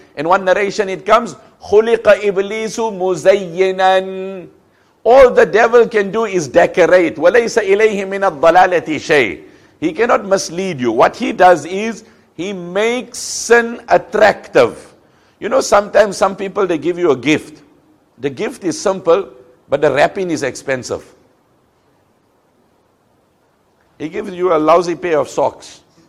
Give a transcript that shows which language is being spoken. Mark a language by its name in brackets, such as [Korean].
[English] In one narration it comes, [Arabic] خُلِقَ إِبْلِيسُ مُزَيِّنًا [English] All the devil can do is decorate. [Arabic] وَلَيْسَ إِلَيْهِ مِنَ الضَّلَالَةِ شَيْءٍ [English] He cannot mislead you. What he does is, he makes sin attractive. You know, sometimes some people, they give you a gift. The gift is simple, but the wrapping is expensive. He gives you a lousy pair of socks.